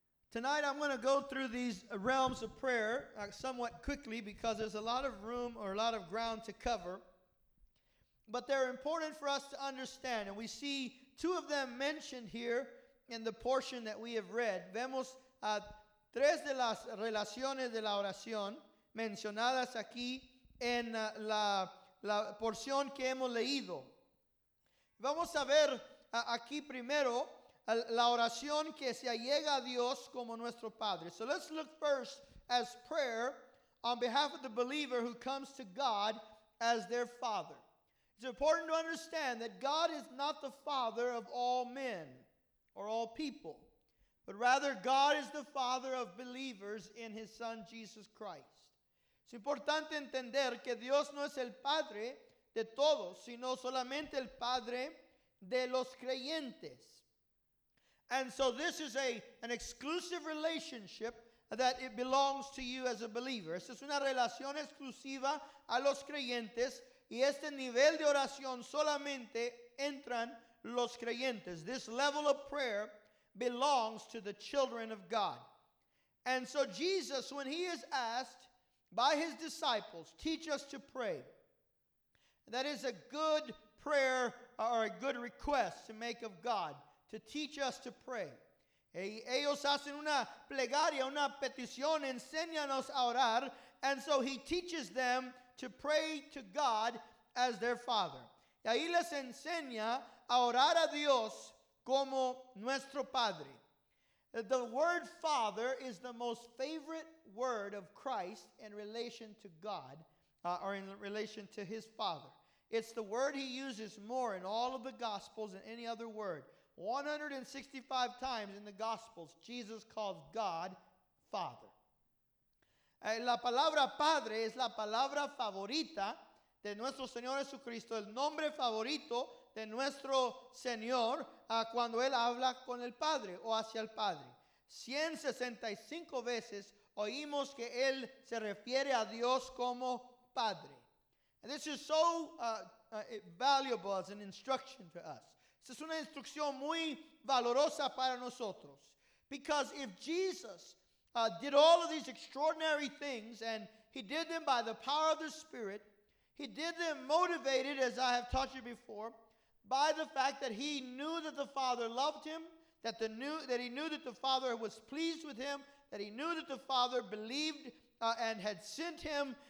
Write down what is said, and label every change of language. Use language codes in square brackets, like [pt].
[en] Tonight I'm going to go through these realms of prayer somewhat quickly, because there's a lot of room or a lot of ground to cover. But they're important for us to understand. And we see two of them mentioned here in the portion that we have read. [es] Vemos a tres de las relaciones de la oración mencionadas aquí en la porción que hemos leído. Vamos a ver aquí primero la oración que se allega a Dios como nuestro Padre. [en] So let's look first as prayer on behalf of the believer who comes to God as their Father. It's important to understand that God is not the father of all men or all people, but rather God is the father of believers in his son Jesus Christ. [es] Es importante entender que Dios no es el padre de todos, sino solamente el padre de los creyentes. [en] And so this is an exclusive relationship that it belongs to you as a believer. [es] Esta es una relación exclusiva a los creyentes. Y este nivel de oración solamente entran los creyentes. [en] This level of prayer belongs to the children of God. And so Jesus, when he is asked by his disciples, teach us to pray. That is a good prayer or a good request to make of God, to teach us to pray. [es] Ellos hacen una plegaria, una petición, enséñanos a orar. [en] And so he teaches them to pray to God as their Father. [es] Y ahí les enseña a orar a Dios como nuestro Padre. [en] The word Father is the most favorite word of Christ in relation to God, or in relation to his Father. It's the word he uses more in all of the Gospels than any other word. 165 times in the Gospels, Jesus calls God Father. [es] La palabra Padre es la palabra favorita de nuestro Señor Jesucristo, el nombre favorito de nuestro Señor cuando Él habla con el Padre o hacia el Padre. 165 veces oímos que Él se refiere a Dios como Padre. [en] And this is so valuable as an instruction to us. [es] Esta es una instrucción muy valorosa para nosotros. [en] Because if Jesus did all of these extraordinary things, and he did them by the power of the Spirit. He did them motivated, as I have taught you before, by the fact that he knew that the Father loved him, that he knew that the Father was pleased with him, that he knew that the Father believed and had sent him.